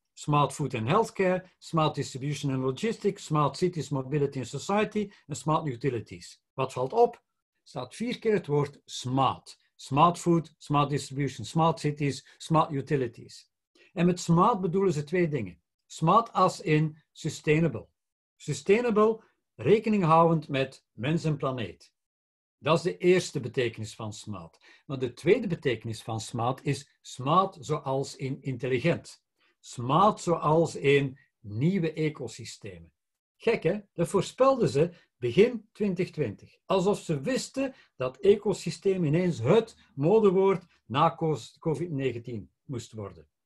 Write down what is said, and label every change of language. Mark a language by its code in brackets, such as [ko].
[en] Smart food and healthcare, smart distribution and logistics, smart cities, mobility and society, [nl] en smart utilities. Wat valt op? Staat 4 keer het woord smart. Smart food, smart distribution, smart cities, smart utilities. En met smart bedoelen ze 2 dingen. [en] Smart as in sustainable. [nl] Sustainable, rekening houdend met mens en planeet. Dat is de eerste betekenis van smart. Maar de tweede betekenis van smart is smart zoals in intelligent. Smart zoals in nieuwe ecosystemen. Gek, hè? Dat voorspelden ze begin 2020. Alsof ze wisten dat ecosysteem ineens het modewoord na COVID-19 moest worden.